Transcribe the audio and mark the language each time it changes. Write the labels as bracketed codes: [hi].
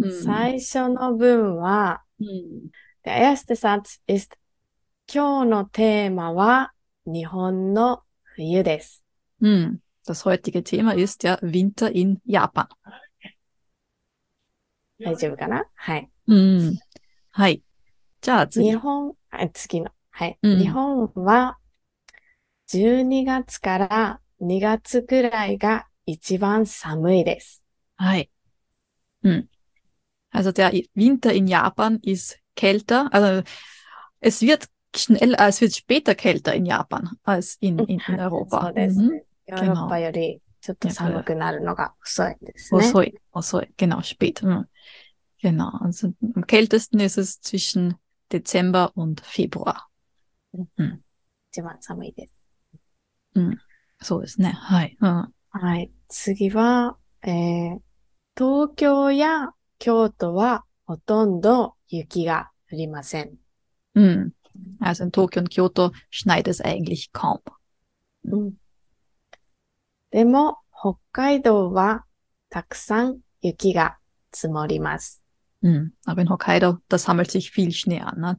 [ja] 最初の文は、で、 [de] erste Satz ist, [ja] 今日のテーマは日本の冬です。 [de] Das heutige Thema ist der Winter in Japan. [ja] 大丈夫かな？はい。はい。じゃあ次。次の。はい。日本は12月から2月くらいが一番寒いです。はい。 [de] Also der Winter in Japan ist kälter. Also es wird schnell, es wird später kälter in Japan als in Europa. [ja] そうですね。ヨーロッパよりちょっと寒くなるのが遅いですね。遅い。 [de] Genau, später. Genau. Also, am kältesten ist es zwischen Dezember und Februar. [ja] 一番寒いです。そうですね。はい。はい。次は、東京や京都はほとんど雪が降りません。 [de] Also, in Tokyo und Kyoto schneit es eigentlich kaum. [ja] でも、北海道はたくさん雪が積もります。 [de] Aber in Hokkaido, da sammelt sich viel Schnee an, ne?